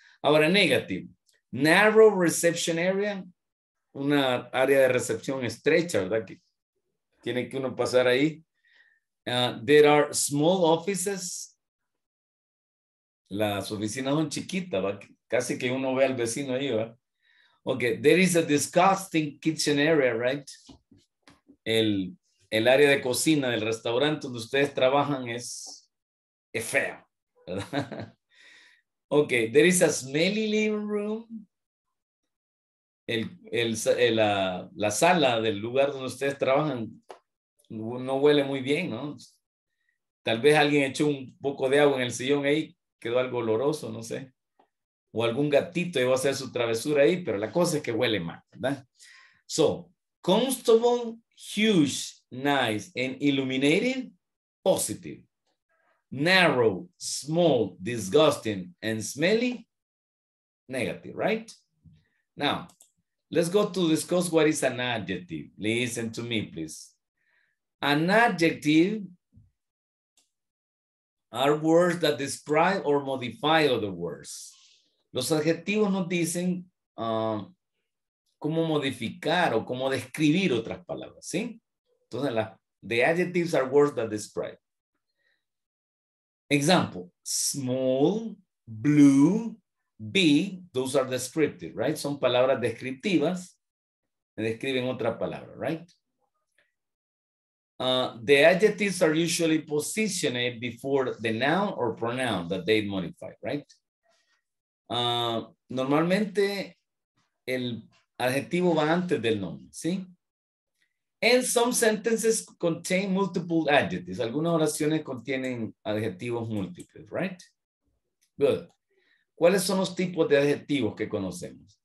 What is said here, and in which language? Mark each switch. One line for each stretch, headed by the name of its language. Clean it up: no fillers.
Spanish: Ahora,
English: negative. Narrow reception area.
Spanish: Una área de recepción estrecha, ¿verdad? Que tiene que uno pasar ahí.
English: There are small offices.
Spanish: Las oficinas son chiquitas, ¿verdad? Casi que uno ve al vecino ahí, ¿verdad?
English: Okay, there is a disgusting kitchen area, right?
Spanish: El área de cocina del restaurante donde ustedes trabajan es fea, ¿verdad?
English: Okay, there is a smelly living room.
Spanish: La sala del lugar donde ustedes trabajan no huele muy bien, ¿no? Tal vez alguien echó un poco de agua en el sillón ahí, quedó algo oloroso, no sé. O algún gatito iba a hacer su travesura ahí, pero la cosa es que huele mal, ¿verdad?
English: So, comfortable, huge, nice, and illuminated, positive. Narrow, small, disgusting, and smelly, negative, right? Now, let's go to discuss what is an adjective. Listen to me, please. An adjective are words that describe or modify other words.
Spanish: Los adjetivos nos dicen cómo modificar o cómo describir otras palabras, ¿sí? Entonces,
English: the adjectives are words that describe. Example, small, blue, big, those are descriptive, right?
Spanish: Son palabras descriptivas. Me describen otra palabra,
English: right? The adjectives are usually positioned before the noun or pronoun that they modify, right?
Spanish: Normalmente, el adjetivo va antes del nombre, ¿sí?
English: And some sentences contain multiple adjectives.
Spanish: Algunas oraciones contienen adjetivos múltiples,
English: right? Good.
Spanish: ¿Cuáles son los tipos de adjetivos que conocemos?